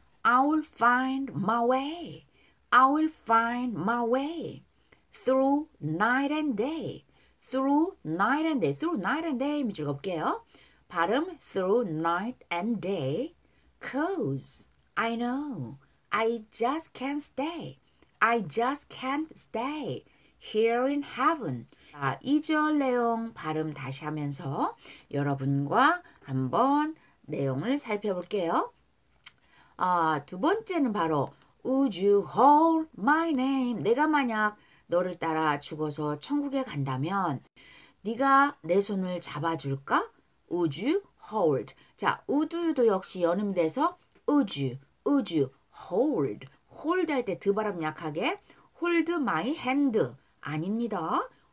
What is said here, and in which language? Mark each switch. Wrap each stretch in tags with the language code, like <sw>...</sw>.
<en>I will find my way. I will find my way through night and day, through night and day, through night and day.</en> <ko>밑줄 볼게요. 발음</ko> <en>through night and day, 'cause I know I just can't stay. I just can't stay here in heaven.</en> <ko>아, 2절 내용 발음 다시 하면서 여러분과 한번 내용을 살펴볼게요. 아, 두 번째는 바로</ko> <en>Would you hold my name?</en> <ko>내가 만약 너를 따라 죽어서 천국에 간다면, 네가 내 손을 잡아줄까?</ko> <en>Would you hold?</en> <ko>자, would도 역시 연음이 돼서</ko> <en>would you hold?</en> <ko>Hold 할때 드바람 약하게</ko> <en>hold my hand</en> <ko>아닙니다.</ko>